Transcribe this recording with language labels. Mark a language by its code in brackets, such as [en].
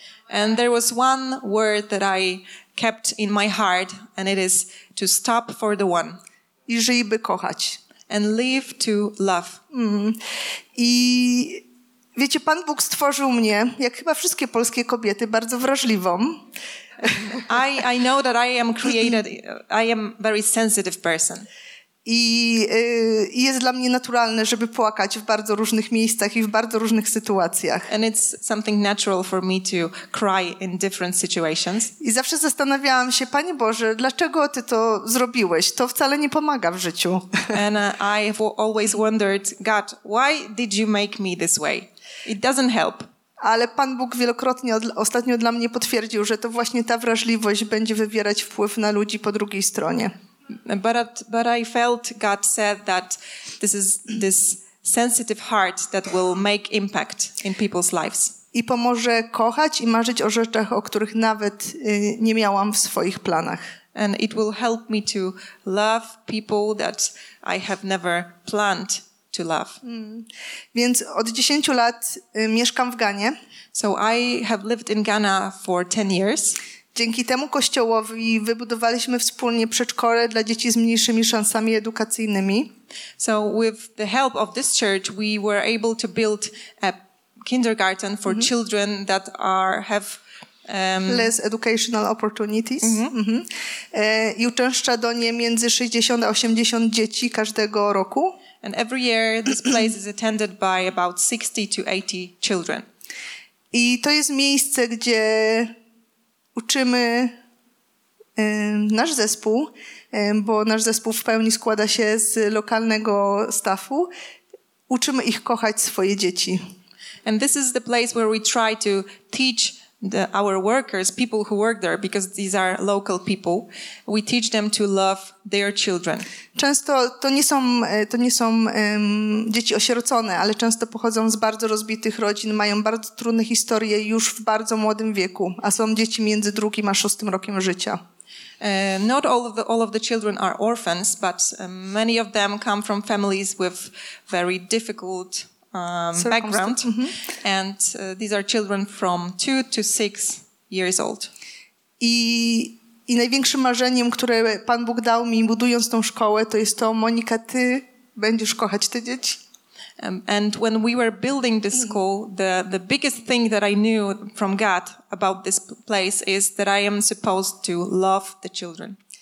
[en] And there was one word that I kept in my heart and it is to stop for the one. [pl] I żyj, by kochać. [en] And live to love. [pl] I wiecie, Pan Bóg stworzył mnie, jak chyba wszystkie polskie kobiety, bardzo wrażliwą. [en] I know that I am created, I am very sensitive person. [pl] I jest dla mnie naturalne, żeby płakać w bardzo różnych miejscach i w bardzo różnych sytuacjach. [en] And it's something natural for me to cry in different situations. [pl] I zawsze zastanawiałam się, Panie Boże, dlaczego Ty to zrobiłeś? To wcale nie pomaga w życiu. [en] And I have always wondered, God, why did you make me this way? It doesn't help. [pl] Ale Pan Bóg wielokrotnie ostatnio dla mnie potwierdził, że to właśnie ta wrażliwość będzie wywierać wpływ na ludzi po drugiej stronie. [en] But I felt God said that this is this sensitive heart that will make impact in people's lives. [pl] I pomoże kochać i marzyć o rzeczach, o których nawet nie miałam w swoich planach. [en] And it will help me to love people that I have never planned to love. [pl] Więc od 10 lat mieszkam w Ghanie. [en] So I have lived in Ghana for 10 years. [pl] Dzięki temu kościołowi wybudowaliśmy wspólnie przedszkole dla dzieci z mniejszymi szansami edukacyjnymi. [en] So with the help of this church we were able to build a kindergarten for children that have less educational opportunities. [pl] I uczęszcza do niej między 60 a 80 dzieci każdego roku. [en] And every year this place is attended by about 60 to 80 children. [pl] I to jest miejsce, gdzie uczymy nasz zespół, bo nasz zespół w pełni składa się z lokalnego staffu. Uczymy ich kochać swoje dzieci. [en] And this is the place where we try to teach our workers, people who work there, because these are local people, we teach them to love their children. [pl] Często to nie są dzieci osierocone, ale często pochodzą z bardzo rozbitych rodzin, mają bardzo trudne historie już w bardzo młodym wieku, a są dzieci między 2. a 6. rokiem życia. [en] Not all of the children are orphans, but many of them come from families with very difficult background, and these are children from 2 to 6 years old. [pl] I największym marzeniem, które Pan Bóg dał mi, budując tą szkołę, to jest to, Monika, ty będziesz kochać te dzieci. [en] And when we were building this school, the biggest thing that I knew from God about this place is that I am supposed to love the children.